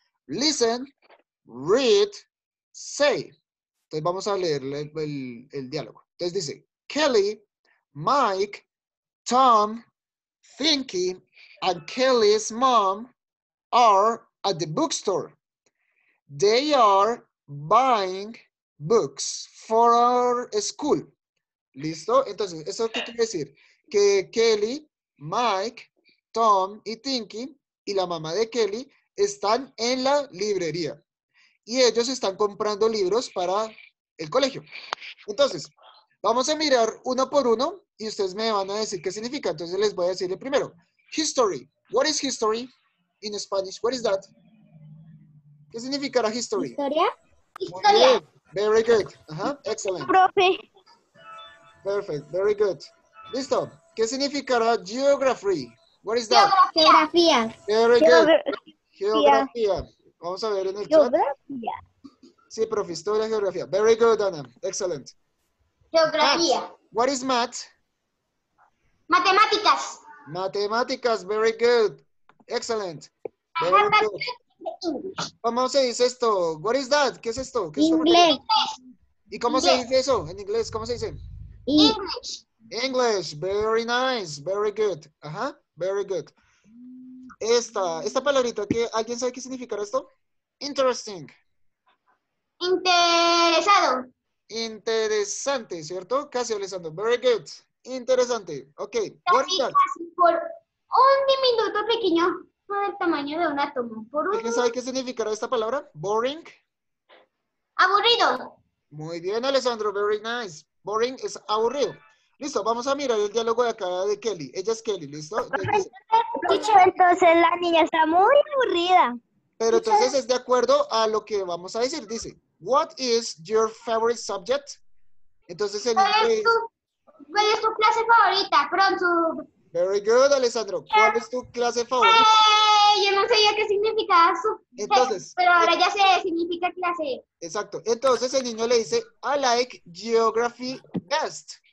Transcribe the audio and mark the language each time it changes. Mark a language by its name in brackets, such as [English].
[English] Listen, read, say. [Spanish] Entonces vamos a leer el diálogo. Entonces dice, [English] Kelly, Mike, Tom, Finky, and Kelly's mom are at the bookstore. They are buying books for our school. [Spanish] ¿Listo? Entonces, ¿eso qué quiere decir? Que Kelly, Mike, Tom y Finky y la mamá de Kelly están en la librería y ellos están comprando libros para el colegio. Entonces, vamos a mirar uno por uno y ustedes me van a decir qué significa. Entonces, les voy a decir el primero. [English] History. What is history in Spanish? What is that? [Spanish] ¿Qué significará history? ¿Historia? Historia. [English] Very good. Uh-huh. Excellent. [Spanish] Profe. [English] Perfect. Very good. [Spanish] Listo. ¿Qué significará geography? [English] What is that? [Spanish] Geografía. [English] Very good. [Spanish] Geografía. [English] Yeah. [Spanish] Vamos a ver en el geografía. Chat. Sí, profe, historia, geografía. [English] Very good, Ana. Excellent. [Spanish] Geografía. [English] Math. What is math? [Spanish] Matemáticas. Matemáticas, [English] very good. Excellent. Very good. [Spanish] ¿Cómo se dice esto? [English] What is that? [Spanish] ¿Qué es esto? ¿Qué inglés. ¿Y cómo inglés. Se dice eso en inglés? ¿Cómo se dice? [English] English. English, very nice, very good. Ajá, very good. [Spanish] Esta palabrita, ¿qué, alguien sabe qué significa esto? [English] Interesting. [Spanish] Interesado. Interesante, ¿cierto? Casi, Alessandro. [English] Very good. [Spanish] Interesante. [English] Ok. [Spanish] Casi, casi por un diminuto pequeño del tamaño de un átomo. Por un... ¿Alguien sabe qué significa esta palabra? [English] Boring. [Spanish] Aburrido. Muy bien, Alessandro. [English] Very nice. [Spanish] Boring es aburrido. Listo, vamos a mirar el diálogo de acá de Kelly. Ella es Kelly, ¿listo? Entonces la niña está muy aburrida. Pero entonces es de acuerdo a lo que vamos a decir. Dice, [English] what is your favorite subject? [Spanish] Entonces en inglés... ¿Cuál es tu clase favorita? Pronto. [English] Very good, Alessandro. [Spanish] ¿Cuál es tu clase favorita? Yo no sabía qué significaba su... Entonces, pero ahora ya sé, significa clase. Exacto. Entonces el niño le dice, [English] I like geography best.